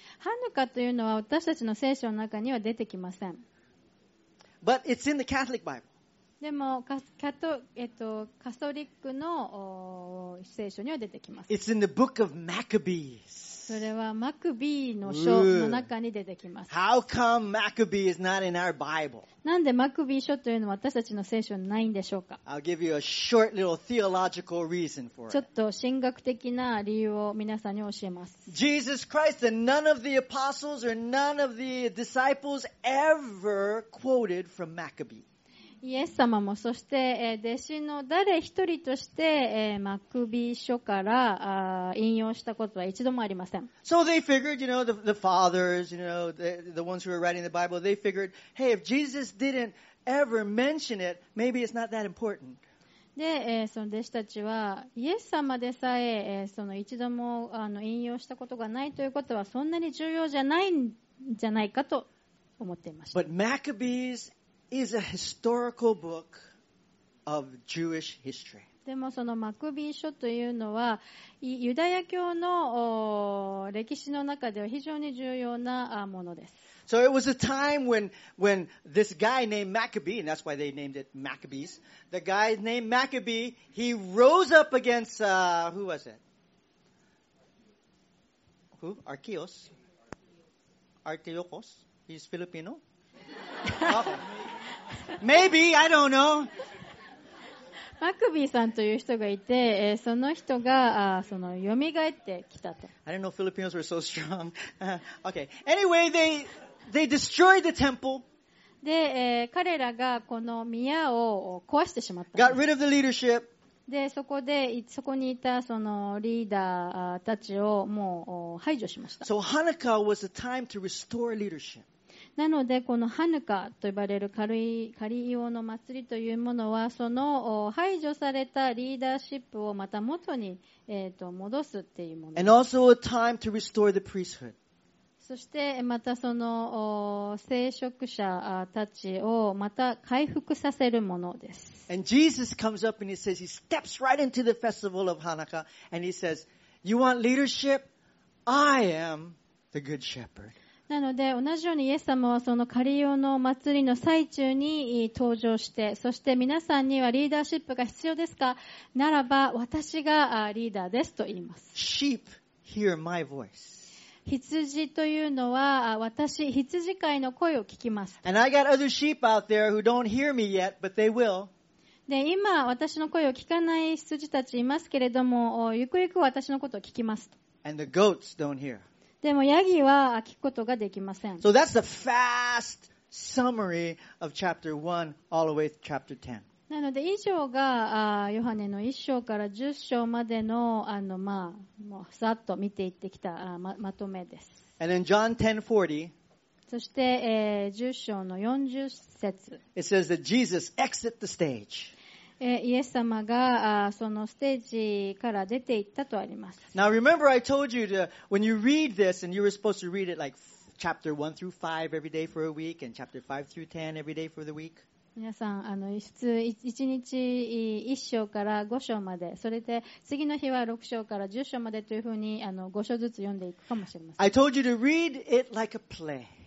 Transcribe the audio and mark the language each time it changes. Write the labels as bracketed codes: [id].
[ja] ハヌカというのは私たちの聖書の中には出てきません。 [en] But it's in the Catholic Bible. [ja] でもカトリックの聖書には出てきます。 [en] It's in the book of Maccabees. [ja] それはマクビーの書の中に出てきます。 [en] How come Maccabee is not in our Bible? [ja] なんでマクビー書というのは私たちの聖書にないんでしょうか。 [en] I'll give you a short little theological reason for it. [ja] ちょっと神学的な理由を皆さんに教えます。 [en] Jesus Christ and none of the apostles or none of the disciples ever quoted from Maccabee. [ja] イエス様もそして弟子の誰一人としてマクビー書から引用したことは一度もありません。 [en] So they figured, you know, the fathers, you know, the ones who were writing the Bible, they figured, hey, if Jesus didn't ever mention it, maybe it's not that important. [ja] で、その弟子たちはイエス様でさえその一度も引用したことがないということはそんなに重要じゃないんじゃないかと思っていました。 [en] But Maccabees is a historical book of Jewish history. [ja] でもそのマクビー書というのはユダヤ教の歴史の中では非常に重要なものです。 [en] So it was a time when this guy named Maccabee, and that's why they named it Maccabees. The guy named Maccabee, he rose up against who was it? Who? Archios? Archiochos? He's Filipino? Maybe, I don't know. [ja] マクビーさんという人がいて、その人が、その、蘇ってきたと。 [en] I didn't know Filipinos were so strong. Okay. Anyway, they destroyed the temple. [ja] で、彼らがこの宮を壊してしまった。 [en] Got rid of the leadership. [ja] で、そこにいたそのリーダーたちをもう排除しました。 [en] So Hanukkah was a time to restore leadership. [ja] なのでこのハヌカと呼ばれる軽い用の祭りというものはその排除されたリーダーシップをまた元に戻すっていうもの。 [en] And also a time to restore the priesthood. [ja] そしてまたその聖職者たちをまた回復させるものです。 [en] And Jesus comes up and he says he steps right into the festival of Hanukkah and he says, "You want leadership? I am the good shepherd." [ja] なので同じようにイエス様はその仮用の祭りの最中に登場してそして皆さんにはリーダーシップが必要ですかならば私がリーダーですと言います [en] Sheep hear my voice. [ja] 羊というのは私羊飼いの声を聞きます [en] And I got other sheep out there who don't hear me yet, but they will. [ja] で今私の声を聞かない羊たちいますけれどもゆくゆく私のことを聞きますと。 [en] And the goats don't hear. [ja] でもヤギは聞くことができません。 [en] So that's the fast summary of chapter 1 all the way to chapter 10. [ja] なので以上がヨハネの1章から10章までの、まあ、もうざっと見ていってきた まとめです。 [en] And in John 10:40, [ja] そして、10章の40節。 [en] It says that Jesus exit the stage. [ja] イエス様がそのステージから出て行ったとあります。 [en] Now remember I told you to, when you read this and you were supposed to read it like chapter 1 through 5 every day for a week and chapter 5 through 10 every day for the week. [ja] 皆さん、普通1日1章から5章まで、それで次の日は6章から10章までというふうに5章ずつ読んでいくかもしれません。 [en] I told you to read it like a play.